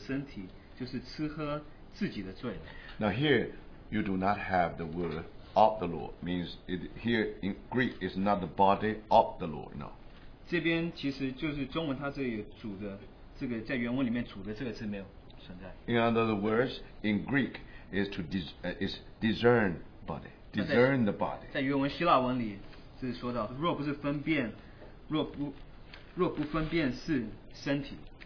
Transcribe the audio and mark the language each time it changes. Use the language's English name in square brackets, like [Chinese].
[Chinese] 因为人吃喝若不分辨是主的身体，就是吃喝自己的罪。 [English] Now here, you do not have the word of the Lord. Means it here in Greek is not the body of the Lord, no. [Chinese] 这边其实就是中文它这里主的，这个在原文里面主的这个字没有存在。 [English] In other words, in Greek is to discern body. Discern the body. [Chinese] 在原文希腊文里是说到若不分辨是身体。